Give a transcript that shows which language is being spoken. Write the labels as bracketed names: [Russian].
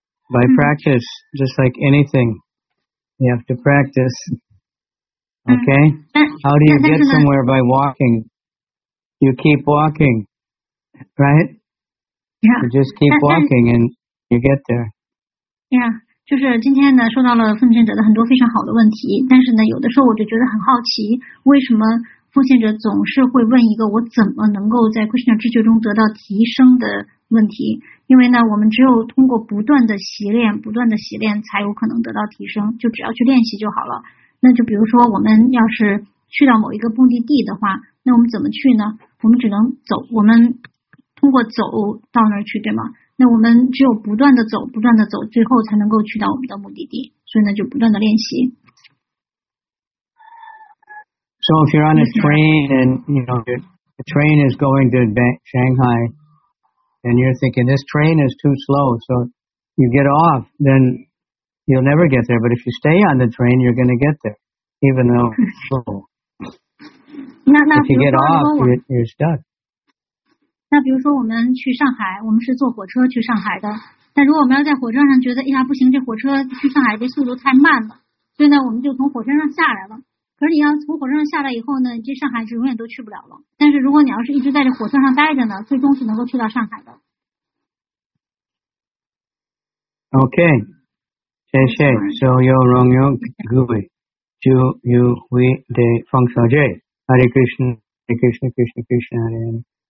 [English] By practice, just like anything, you have to practice. Okay? How do you get somewhere by walking? You keep walking, right? Yeah. You just keep walking and you get there. Yeah. [Chinese] 就是今天呢收到了奉献者的很多非常好的问题，但是呢有的时候我就觉得很好奇，为什么奉献者总是会问一个我怎么能够在 Krishna 知觉中得到提升的问题。因为呢我们只有通过不断的习练，不断的习练才有可能得到提升，就只要去练习就好了。那就比如说我们要是去到某一个目的地的话，那我们怎么去呢？我们只能走，我们通过走到那儿去，对吗？那我们只有不断的走，不断的走，最后才能够去到我们的目的地。所以呢，就不断的练习。 [English] So if you're on a train and you know the train is going to Shanghai, and you're thinking this train is too slow, so you get off, then you'll never get there. But if you stay on the train, you're going to get there, even though it's slow. 那 if you get off, you're stuck. [Chinese] 那比如说我们去上海，我们是坐火车去上海的。但如果我们要在火车上觉得，哎呀不行，这火车去上海这速度太慢了，所以呢我们就从火车上下来了。可是你要从火车上下来以后呢，这上海是永远都去不了了。但是如果你要是一直在这火车上待着呢，最终是能够去到上海的。 Okay, 谢谢。 So you wrong you good, you you we the Feng Shao Jie, Hare Krishna, Hare Krishna, Krishna Krishna, Hare.